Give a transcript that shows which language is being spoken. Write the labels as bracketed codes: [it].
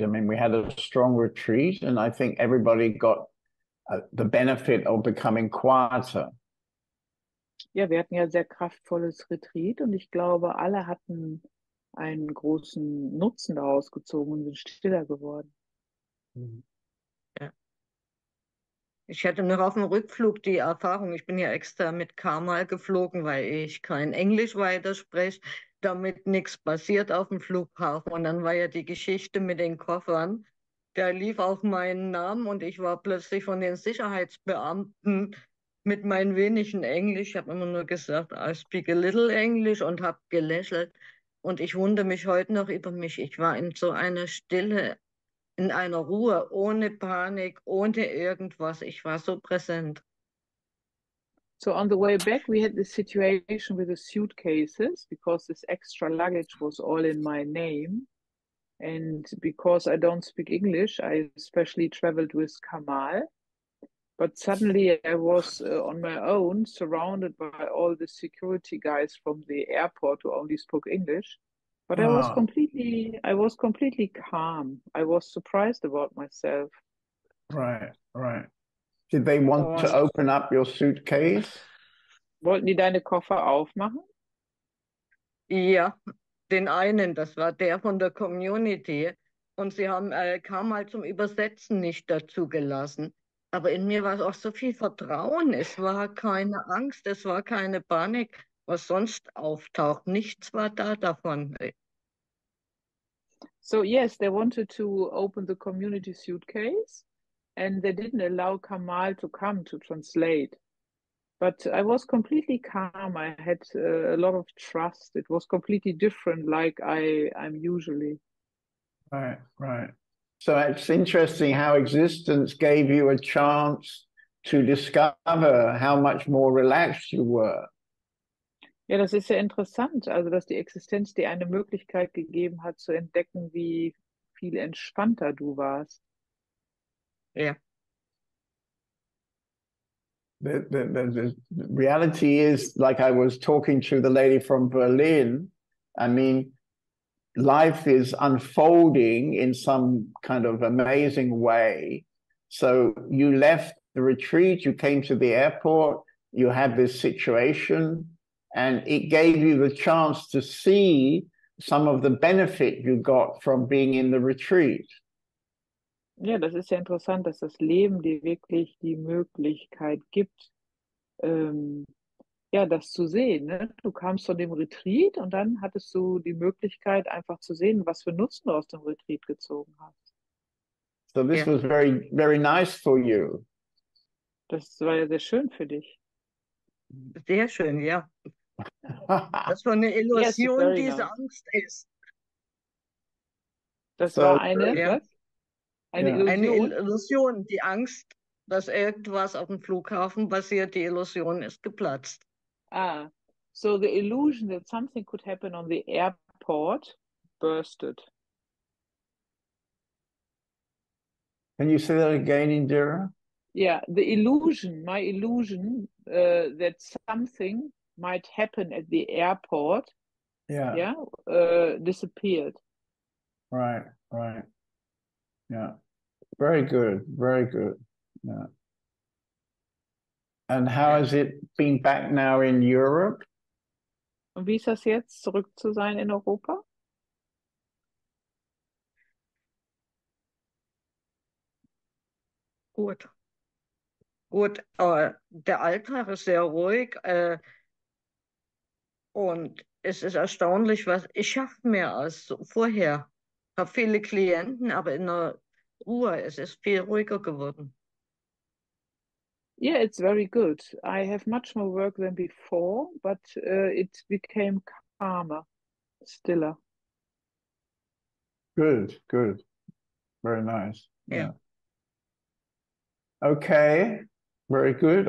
[en] I mean, we had a strong retreat, and I think everybody got the benefit of becoming quieter. [de] Ja, wir hatten ja sehr kraftvolles Retreat, und ich glaube, alle hatten einen großen Nutzen daraus gezogen und sind stiller geworden. Ja. Ich hatte noch auf dem Rückflug die Erfahrung, ich bin ja extra mit Karmal geflogen, weil ich kein Englisch weiterspreche, damit nichts passiert auf dem Flughafen. Und dann war ja die Geschichte mit den Koffern, da lief auch mein Name, und ich war plötzlich von den Sicherheitsbeamten mit meinem wenigen Englisch, ich habe immer nur gesagt, [en] I speak a little English, [de] und habe gelächelt. Und ich wundere mich heute noch über mich. Ich war in so einer Stille, in einer Ruhe, ohne Panik, ohne irgendwas. Ich war so präsent. [en] So on the way back, we had this situation with the suitcases, because this extra luggage was all in my name. And because I don't speak English, I especially traveled with Kamal. But suddenly I was on my own, surrounded by all the security guys from the airport who only spoke English. But wow. I was completely calm. I was surprised about myself. Right. Did they want to open up your suitcase? [de] Wollten die deine Koffer aufmachen? Ja, den einen, das war der von der Community. Und sie haben Kamal zum Übersetzen nicht dazu gelassen. Aber in mir war es auch so viel Vertrauen. Es war keine Angst, es war keine Panik, was sonst auftaucht. Nichts war da davon. [en] So yes, they wanted to open the community suitcase, and they didn't allow Kamal to come to translate. But I was completely calm. I had a lot of trust. It was completely different, like I'm usually. Right. So it's interesting how existence gave you a chance to discover how much more relaxed you were. [de] Ja, das ist sehr interessant, also dass die Existenz dir eine Möglichkeit gegeben hat zu entdecken, wie viel entspannter du warst. Ja. Yeah. [en] The reality is, like I was talking to the lady from Berlin, I mean, life is unfolding in some kind of amazing way. So you left the retreat, you came to the airport, you had this situation, and it gave you the chance to see some of the benefit you got from being in the retreat. [de] Ja, das ist ja interessant, dass das Leben dir wirklich die Möglichkeit gibt, ja, das zu sehen. Ne? Du kamst von dem Retreat und dann hattest du die Möglichkeit, einfach zu sehen, was für Nutzen du aus dem Retreat gezogen hast. [en] So this was very, very nice for you. [de] Das war ja sehr schön für dich. Sehr schön, ja. Das war eine Illusion, yes, diese nice. Angst ist. Das war eine, ja. Was? Eine, ja. Eine Illusion, die Angst, dass irgendwas auf dem Flughafen passiert, die Illusion ist geplatzt. [en] Ah, so the illusion that something could happen on the airport bursted. Can you say that again, Indira? Yeah, the illusion, my illusion, that something might happen at the airport, yeah, disappeared. Right, right. Yeah, very good, very good. Yeah. And how has it been back now in Europe? [de] Und wie ist das jetzt, zurück zu sein in Europa? Gut. Gut, der Alltag ist sehr ruhig. Und es ist erstaunlich, was ich schaffe mehr als vorher. Ich habe viele Klienten, aber in der Ruhe, es ist viel ruhiger geworden. [en] Yeah, it's very good. I have much more work than before, but it became calmer, stiller. Good, good. Very nice. Yeah. Okay, very good.